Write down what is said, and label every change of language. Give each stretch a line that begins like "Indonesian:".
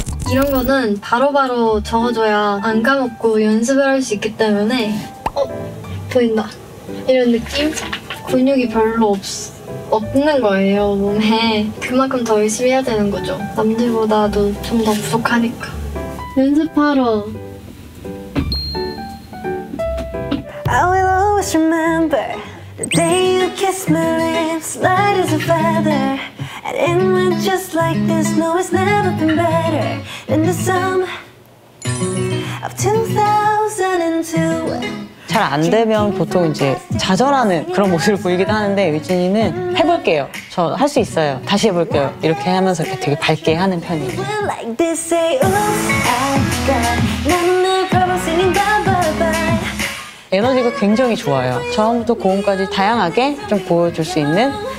Korean: 이런 거는 바로바로 적어줘야 안 까먹고 연습을 할 수 있기 때문에 어? 보인다 이런 느낌? 근육이 별로 없는 거예요 몸에 그만큼 더 열심히 해야 되는 거죠 남들보다도 좀 더 부족하니까 연습하러
English: I will always remember the day you kissed my lips light as a feather And it went just like this, no, it's never been better than the sum of 2002.
Korean: 잘 안 되면 보통 이제 좌절하는 그런 모습을 보이기도 하는데 유진이는 해볼게요. 저 할 수 있어요. 다시 해볼게요. 이렇게 하면서 이렇게 되게 밝게 하는 편이에요. 에너지가 굉장히 좋아요. 처음부터 고음까지 다양하게 좀 보여줄 수 있는